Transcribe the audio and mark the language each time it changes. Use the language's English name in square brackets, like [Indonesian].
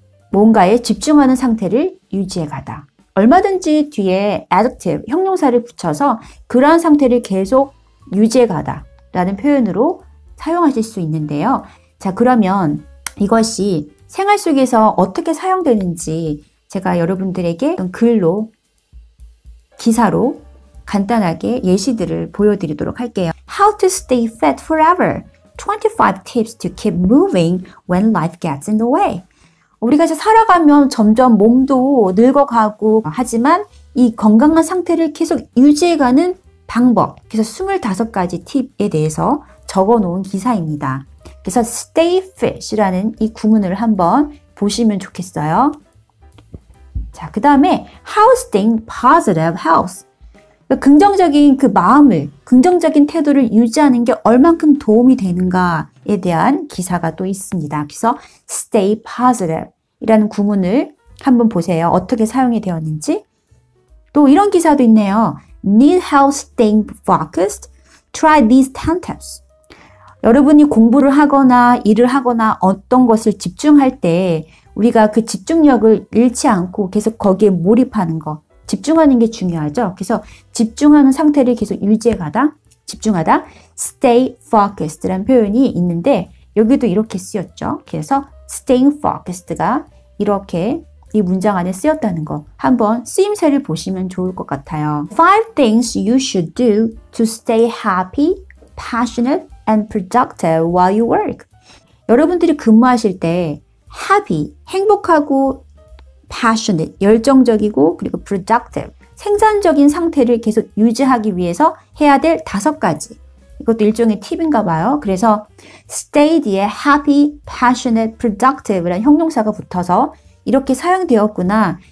[Korean] 뭔가에 집중하는 상태를 유지해 가다. 얼마든지 뒤에 adjective, 형용사를 붙여서 그러한 상태를 계속 유지해 가다 라는 표현으로 사용하실 수 있는데요. 자, 그러면 이것이 생활 속에서 어떻게 사용되는지 제가 여러분들에게 글로, 기사로 간단하게 예시들을 보여드리도록 할게요. [English] How to stay fit forever? 25 tips to keep moving when life gets in the way. [Korean] 우리가 이제 살아가면 점점 몸도 늙어가고 하지만 이 건강한 상태를 계속 유지해가는 방법, 그래서 25가지 팁에 대해서 적어놓은 기사입니다. 그래서 stay fit이라는 이 구문을 한번 보시면 좋겠어요. 자, 그 다음에 [English] how staying positive helps. [Korean] 그러니까 긍정적인 그 마음을, 긍정적인 태도를 유지하는 게 얼만큼 도움이 되는가에 대한 기사가 또 있습니다. 그래서 stay positive이라는 구문을 한번 보세요. 어떻게 사용이 되었는지. 또 이런 기사도 있네요. [English] Need help staying focused? Try these 10 tips. [Korean] 여러분이 공부를 하거나 일을 하거나 어떤 것을 집중할 때 우리가 그 집중력을 잃지 않고 계속 거기에 몰입하는 거, 집중하는 게 중요하죠. 그래서 집중하는 상태를 계속 유지해 가다, 집중하다, stay focused라는 표현이 있는데 여기도 이렇게 쓰였죠. 그래서 staying focused가 이렇게 이 문장 안에 쓰였다는 거 한번 쓰임새를 보시면 좋을 것 같아요. [English] Five things you should do to stay happy, passionate, and productive while you work. [Korean] 여러분들이 근무하실 때 happy, 행복하고 passionate, 열정적이고 그리고 productive, 생산적인 상태를 계속 유지하기 위해서 해야 될 다섯 가지. 이것도 일종의 팁인가 봐요. 그래서 stay 뒤에 happy, passionate, productive라는 형용사가 붙어서 이렇게 사용되었구나.